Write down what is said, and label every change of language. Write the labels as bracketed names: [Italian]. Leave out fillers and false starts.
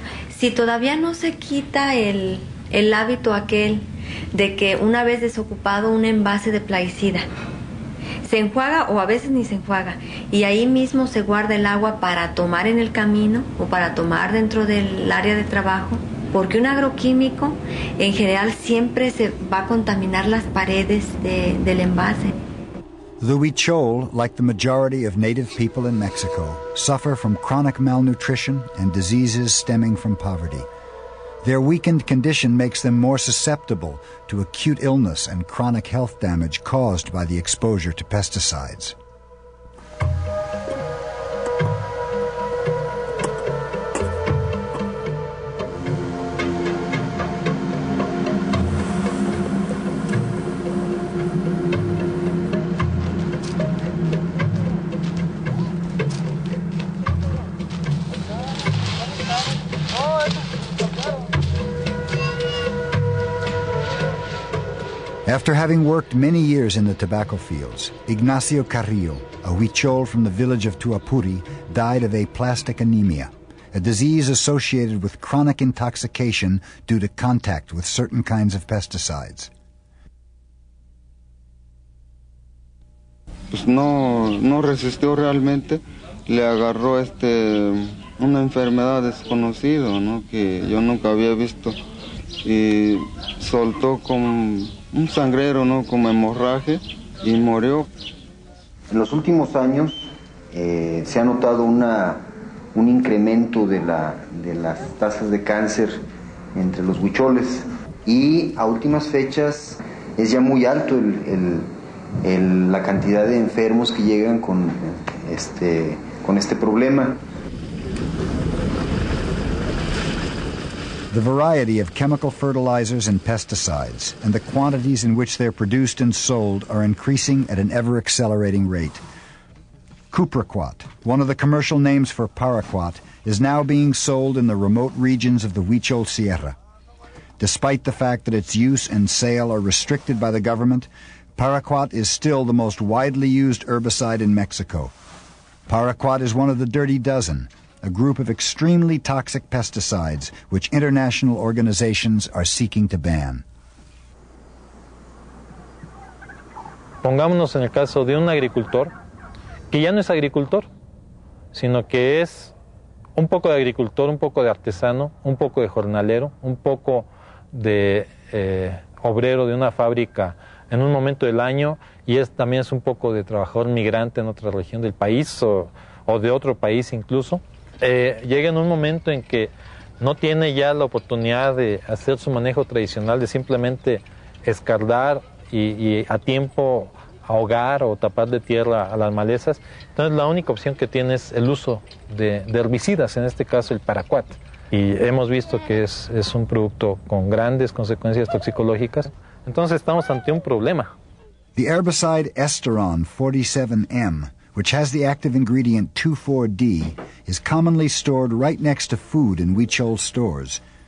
[Spanish] Si todavía no se quita el hábito aquel de que una vez desocupado un envase de plaguicida se enjuaga o a veces ni se enjuaga y ahí mismo se guarda el agua para tomar en el camino o para tomar dentro del área de trabajo, porque un agroquímico en general siempre se va a contaminar las paredes del envase. [English] The Huichol, like the majority of native people in Mexico, suffer from chronic malnutrition and diseases stemming from poverty. Their weakened condition makes them more susceptible to acute illness and chronic health damage caused by the exposure to pesticides. After having worked many years in the tobacco fields, Ignacio Carrillo, a Huichol from the village of Tuapuri, died of aplastic anemia, a disease associated with chronic intoxication due to contact with certain kinds of pesticides. [Spanish] Pues no resistió realmente, le agarró una enfermedad desconocida, ¿no? Que yo nunca había visto, y soltó con un sangrero, ¿no?, como hemorragia, y murió. En los últimos años se ha notado un incremento de las tasas de cáncer entre los huicholes, y a últimas fechas es ya muy alto la cantidad de enfermos que llegan con este problema. [English] The variety of chemical fertilizers and pesticides and the quantities in which they're produced and sold are increasing at an ever-accelerating rate. Cupraquat, one of the commercial names for paraquat, is now being sold in the remote regions of the Huichol Sierra. Despite the fact that its use and sale are restricted by the government, paraquat is still the most widely used herbicide in Mexico. Paraquat is one of the Dirty Dozen, a group of extremely toxic pesticides which international organizations are seeking to ban. [Spanish] Pongámonos en el caso de un agricultor que ya no es agricultor, sino que es un poco de agricultor, un poco de artesano, un poco de jornalero, un poco de obrero de una fábrica en un momento del año, y es también es un poco de trabajador migrante en otra región del país o de otro país incluso. Llega en un momento en que no tiene ya la oportunidad de hacer su manejo tradicional de simplemente escardar y a tiempo ahogar o tapar de tierra a las malezas. Entonces la única opción que tiene es el uso de herbicidas, en este caso el paraquat. Y hemos visto que es un producto con grandes consecuencias toxicológicas. Entonces estamos ante un problema. [English] The herbicide Esteron 47M, which has the active ingredient 2,4-D, is commonly stored right next to food in Huichol stores.